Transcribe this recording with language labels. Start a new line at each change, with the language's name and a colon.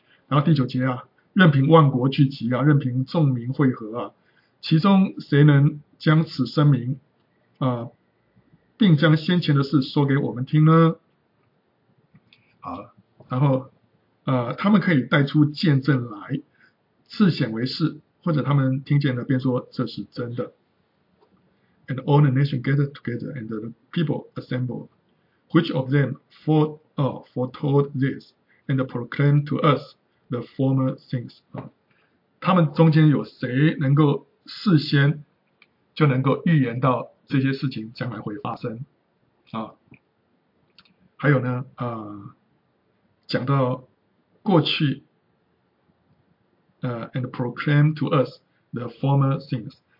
Chinese: 然后第九节啊，任凭万国聚集啊，任凭众民会合啊，其中谁能将此声明啊，并将先前的事说给我们听呢？好，然后他们可以带出见证来，自显为是，或者他们听见了便说这是真的。
English: And all the nation gathered together, and the people assembled. Which of them foretold this, and proclaimed to us the former things?
Chinese: 他们中间有谁能够事先就能够预言到这些事情将来会发生？还有呢，讲到过去
English: and proclaimed to us the former things.